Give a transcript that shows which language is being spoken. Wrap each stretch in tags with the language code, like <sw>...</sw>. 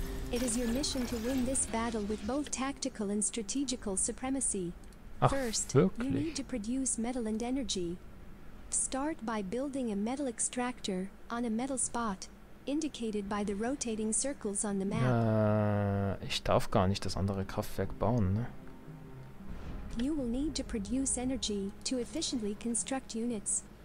<en>It is your mission to win this battle with both tactical and strategical supremacy. First, you need to produce metal and energy. Start by building a metal extractor on a metal spot, indicated by the rotating circles on the map.</en> <de>Ich darf gar nicht das andere Kraftwerk bauen, ne?</de> <en>You will need to produce energy to efficiently construct units.</en>